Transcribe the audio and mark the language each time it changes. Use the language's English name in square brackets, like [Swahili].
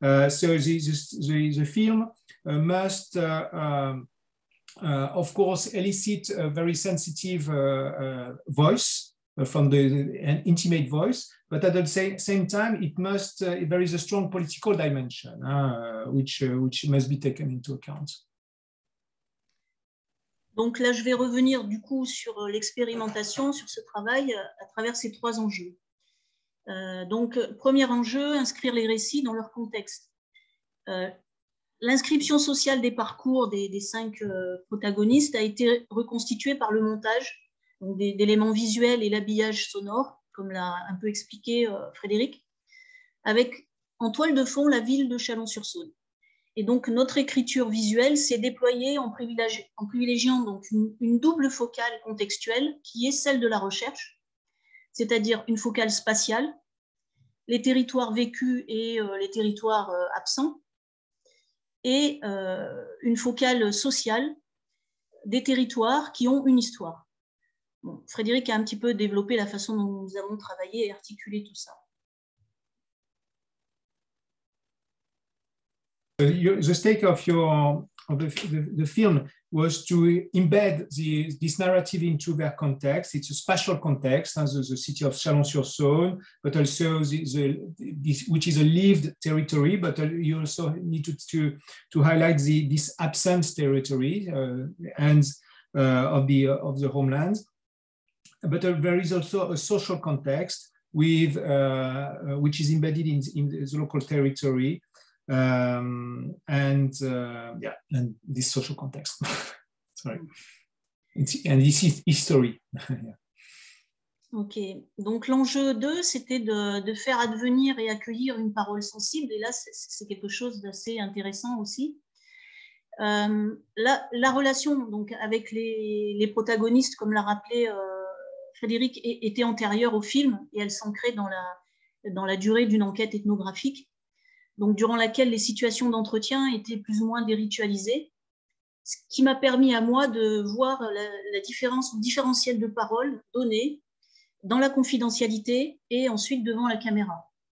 [English] So the film must of course elicit a very sensitive voice from an intimate voice, but at the same time, it must there is a strong political dimension which must be taken into account. [French] Donc là, je vais revenir du coup sur l'expérimentation, sur ce travail à travers ces trois enjeux. Donc, premier enjeu, inscrire les récits dans leur contexte. L'inscription sociale des parcours des cinq protagonistes a été reconstituée par le montage. Donc d'éléments visuels et l'habillage sonore, comme l'a un peu expliqué Frédéric, avec en toile de fond la ville de Chalon-sur-Saône. Et donc notre écriture visuelle s'est déployée en privilégiant donc une double focale contextuelle qui est celle de la recherche, c'est-à-dire une focale spatiale, les territoires vécus et les territoires absents, et une focale sociale des territoires qui ont une histoire. Bon, Frédéric a un petit peu développé la façon dont nous avons travaillé et articulé tout ça. [English] The stake of the film was to embed this narrative into their context. It's a spatial context, the city of Chalon-sur-Saône, but also which is a lived territory. But you also need to highlight this absent territory and of the homeland. But there is also a social context with which is embedded in the local territory, and this social context. Sorry, and this is history. [French] Ok, donc l'enjeu 2, c'était de faire advenir et accueillir une parole sensible, et là, c'est quelque chose d'assez intéressant aussi. La relation donc, avec les protagonistes, comme l'a rappelé Frédéric, était antérieure au film, et elle s'ancrait dans la durée d'une enquête ethnographique, donc durant laquelle les situations d'entretien étaient plus ou moins déritualisées, ce qui m'a permis à moi de voir la différence différentielle de paroles données dans la confidentialité et ensuite devant la caméra.